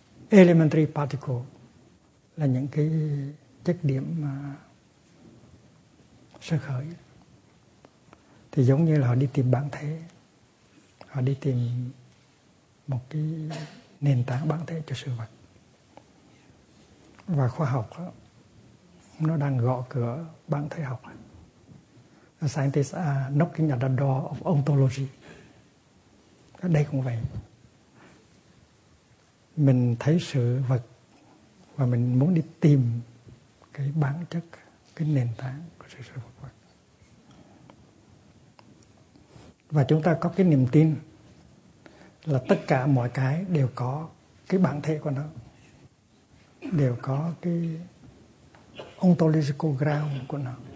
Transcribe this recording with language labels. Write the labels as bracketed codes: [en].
[vi] elementary particle, là những cái chất điểm mà sơ khởi, thì giống như là họ đi tìm bản thể, họ đi tìm một cái nền tảng bản thể cho sự vật. Và khoa học nó đang gõ cửa bản thể học. [en] The scientists are knocking at the door of ontology. [vi] Ở đây cũng vậy. Mình thấy sự vật và mình muốn đi tìm cái bản chất, cái nền tảng của sự vật. Và chúng ta có cái niềm tin là tất cả mọi cái đều có cái bản thể của nó, đều có cái ontological ground của nó.